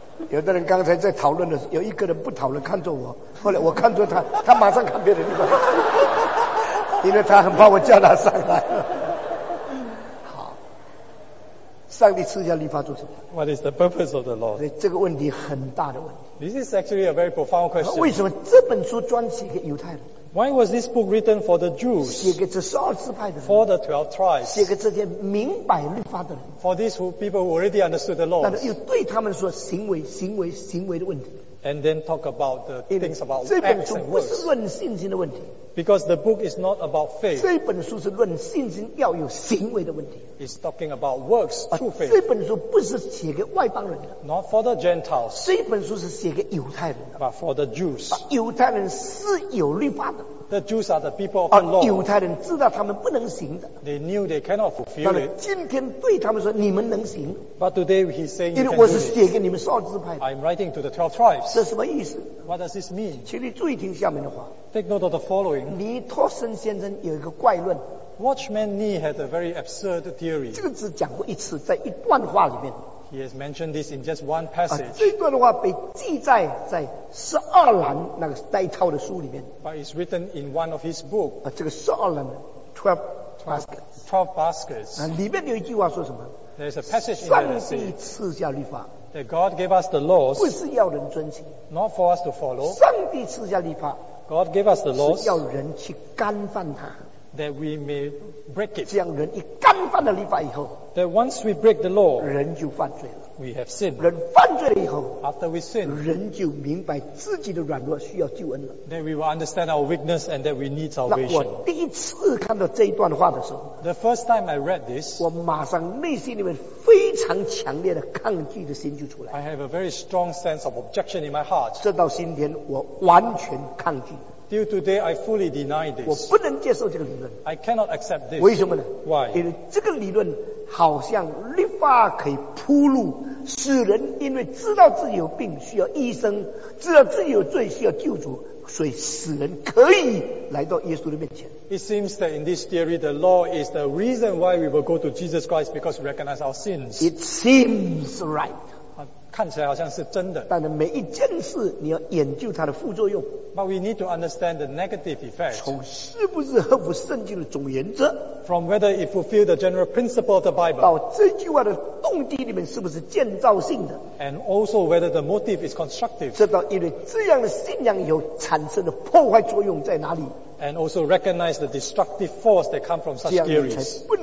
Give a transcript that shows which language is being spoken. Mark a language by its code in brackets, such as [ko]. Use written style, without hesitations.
[zh] 有的人刚才在讨论的时候，有一个人不讨论，看着我，后来我看着他，他马上看别的地方。因为他很怕我叫他上来。好，上帝赐下律法做什么？ [en] What is the purpose of the laws? [zh] 这个问题很大的问题。 [en] This is actually a very profound question. [zh] 为什么这本书专写给犹太人？ [en] Why was this book written for the Jews? [zh] 写给这十二支派的人。 [en] For the 12 tribes. [zh] 写给这些明白律法的人。 [en] For these who, people who already understood the laws. [zh] 但是又对他们说行为的问题。 [en] And then talk about the things about acts and words. [zh] 这本书不是论信心的问题。 [en] Because the book is not about faith. [zh] 这本书是论信心要有行为的问题。 [en] It's talking about works, true faith. [zh] 这本书不是写给外邦人的。 [en] Not for the Gentiles. [zh] 这本书是写给犹太人的。 [en] But for the Jews. [zh] 犹太人是有律法的。 [en] The Jews are the people of the law. [zh] 犹太人知道他们不能行的。 [en] They knew they cannot fulfill it. [zh] 今天对他们说你们能行。 [en] But today he's saying you can do it. [zh] 我是写给你们十二支派的。 [en] I'm writing to the 12 tribes. [zh] 这什么意思？ [en] What does this mean? [zh] 请你注意听下面的话。 [en] Take note of the following. [zh] 尼托森先生有一个怪论。 [en] Watchman Nee had a very absurd theory. [zh] 这个只讲过一次，在一段话里面。 [en] He has mentioned this in just one passage. [zh] 这段话被记载在十二栏那个带套的书里面。 [en] But it's written in one of his book. [zh] 这个十二栏 ， [en] 12 baskets. 12 baskets. [zh] 里面有一句话说什么 [en] ？There's a passage in there. [zh] 上帝赐下律法。 [en] That God gave us the laws. [zh] 不是要人遵行。 [en] Not for us to follow. [zh] 上帝赐下律法。 [en] God gave us the laws. [zh] 是要人去干犯它。 [en] That we may break it. [zh] 这样人一干犯了律法以后 [en] ，That once we break the law, [zh] 人就犯罪了。 [en] We have sinned. [zh] 人犯罪了以后 [en] ，After we sin, [zh] 人就明白自己的软弱需要救恩了。 [en] That we will understand our weakness and that we need salvation. [zh] 那我第一次看到这一段话的时候 [en] ，The first time I read this, [zh] 我马上内心里面非常强烈的抗拒的心就出来。 [en] I have a very strong sense of objection in my heart. [zh] 直到今天，我完全抗拒。 [en] Till today, I fully deny this. [zh] 我不能接受这个理论。 [en] I cannot accept this. [zh] 为什么呢？ [en] Why? [zh] 因为这个理论好像律法可以铺路，使人因为知道自己有病需要医生，知道自己有罪需要救主，所以使人可以来到耶稣的面前。 [en] It seems that in this theory, the law is the reason why we will go to Jesus Christ because we recognize our sins. It seems right. [zh] 看起来好像是真的, 但是每一件事, 你要研究它的副作用, [en] but we need to understand the negative effect. [zh] 从是不是合乎圣经的总原则, [en] from whether it fulfills the general principle of the Bible, [zh] 到这句话的动机里面是不是建造性的, [en] and also whether the motive is constructive. [zh] 知道因为这样的信仰以后产生的破坏作用在哪里, [en] and also recognize the destructive force that comes from such theories.